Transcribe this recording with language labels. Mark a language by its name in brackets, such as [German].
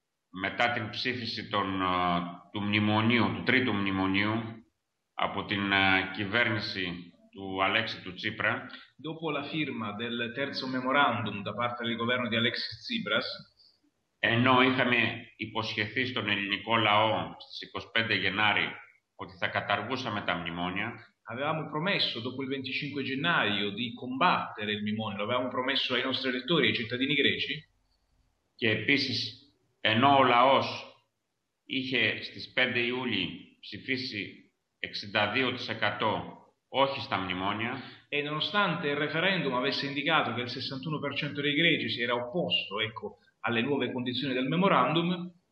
[Greek] Μετά την ψήφιση του μνημονίου, του τρίτου μνημονίου από την κυβέρνηση του Αλέξη του Τσίπρα. [Italian] Dopo la firma del terzo memorandum da parte del governo di Alexis Tsipras. [Greek] Ενώ είχαμε υποσχεθεί στον ελληνικό λαό στις 25 Γενάρη ότι θα καταργούσαμε τα μνημόνια. [Italian] Avevamo promesso dopo il 25 gennaio di combattere il mnemonio, lo avevamo promesso ai nostri elettori, ai cittadini greci. [Greek] Και επίσης, ενώ ο λαός είχε στις 5 Ιούλη ψηφίσει 62% όχι στα μνημόνια, [Italian] E nonostante il referendum avesse indicato che il 61% dei greci si era opposto, ecco, alle nuove condizioni del memorandum.